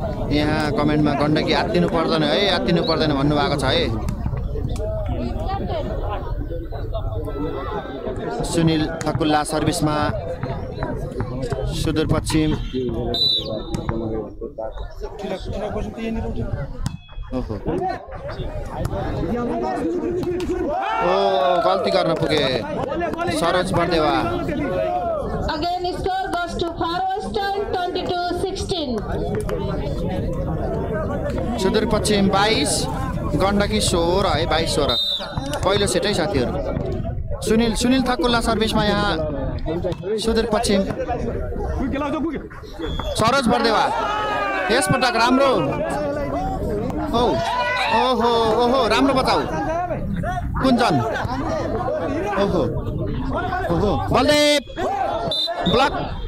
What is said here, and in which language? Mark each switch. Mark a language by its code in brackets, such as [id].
[ne] यहाँ कमेन्टमा गण्डकी आत्तिनु पर्दैन है आत्तिनु पर्दैन भन्नु भएको छ है सुनील ठकुल्ला सर्भिसमा सुदूरपश्चिम ओहो ओ गल्ती गर्न पुगे सरोज बर्देवा [en] again score goes to far western 22-16 [ne] Sudurpashchim 22 Gandaki 16 है 22 16 पहिलो सेट है साथीहरु सुनील सुनील ठकुल्ला सर्भिसमा यहाँ सुदूरपश्चिम सरोज बर्देवा यस पटक राम्रो ओ ओहो ओहो राम्रो बताऊ कुञ्जन ओहो ओहो बलदेव ब्लक